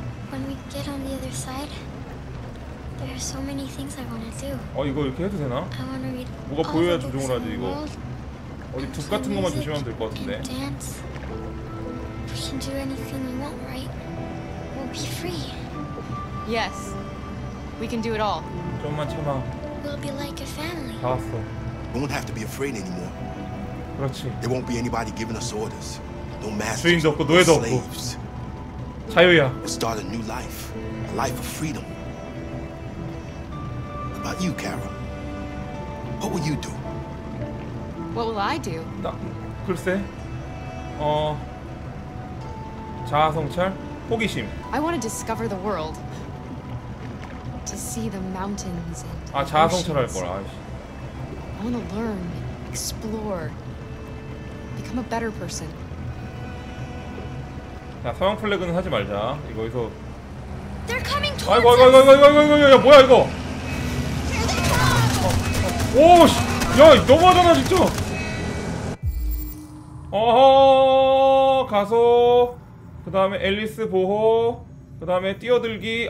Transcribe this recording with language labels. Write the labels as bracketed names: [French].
[English] When we get on the other side, there are so many things I want to do. [Korean] 어, 이거 이렇게 해도 되나? 뭐가 보여야 조종을 하지 이거. 어디 둑 같은 것만 조심하면 될 것 같은데. [English] We can do anything we want, right? We'll be free. Yes, we can do it all. [Korean] 좀만 참아. [English] We'll be like a family. [Korean] 다 왔어. [English] We won't have to be afraid anymore. [Korean] 그렇지. [English] There won't be anybody giving us orders. No masters. [Korean] 주인도 없고 노예도 없고. 자유야. [English] We'll start a new life, a life of freedom. What about you, Carol? What will you do? What will I do? [Korean] 나 글쎄. 자아성찰, 호기심. [English] I want to discover the world. To see the mountains and oceans. [Korean] 아, 자아성찰 할 거라. [English] I want to learn, explore, become a better person. [Korean] 야, 서양 플래그는 하지 말자. 이거 여기서. [English] They're coming towards. [Korean] 아이고, 아이고, 아이고, 아이고, 아이고, 아이고, 아이고, 아이고, 아이고, 뭐야 이거? 오, 씨, 야, 너무하잖아 진짜. 어허, 가서 그 다음에 앨리스 보호, 그 다음에 뛰어들기.